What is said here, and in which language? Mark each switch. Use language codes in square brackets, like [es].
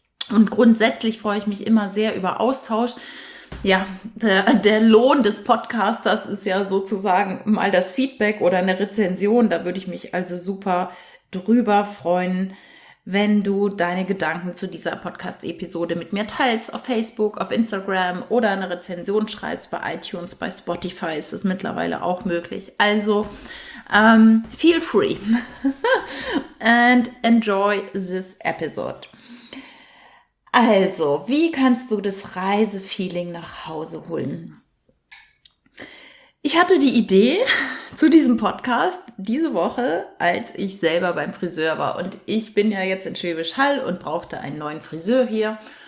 [de] Und grundsätzlich freue ich mich immer sehr über Austausch. Ja, der Lohn des Podcasters ist ja sozusagen mal das Feedback oder eine Rezension. Da würde ich mich also super drüber freuen, wenn du deine Gedanken zu dieser Podcast-Episode mit mir teilst auf Facebook, auf Instagram oder eine Rezension schreibst bei iTunes, bei Spotify ist es mittlerweile auch möglich. [en] Also feel free and enjoy this episode. [de] Also, wie kannst du das Reisefeeling nach Hause holen? Ich hatte die Idee zu diesem Podcast diese Woche, als ich selber beim Friseur war. Und ich bin ja jetzt in Schwäbisch Hall und brauchte einen neuen Friseur hier.